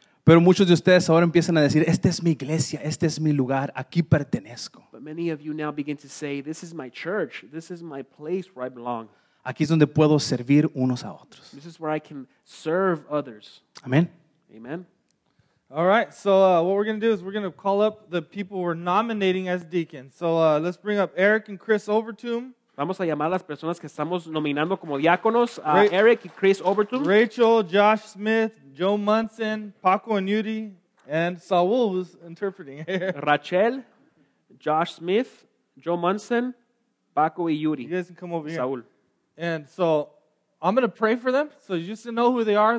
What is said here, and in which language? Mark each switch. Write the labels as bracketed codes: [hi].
[es] Pero muchos de ustedes ahora empiezan a decir, esta es mi iglesia, este es mi lugar, aquí pertenezco. [en] But many of you now begin to say, this is my church, this is my place where I belong. [es] Aquí es donde puedo servir unos a otros. [en] This is where I can serve others. Amen. Amen. All right, so what we're going to do is we're going to call up the people we're nominating as deacons. So let's bring up Eric and Chris Overtoom. [es] Vamos a llamar a las personas que estamos nominando como diáconos, a Eric y Chris Overton. [en] Rachel, Josh Smith, Joe Munson, Paco and Yudi, and Saul was interpreting. [es] Rachel, Josh Smith, Joe Munson, Paco y Yudi. [en] You guys can come over here. Saul. And so I'm going to pray for them so you just know who they are.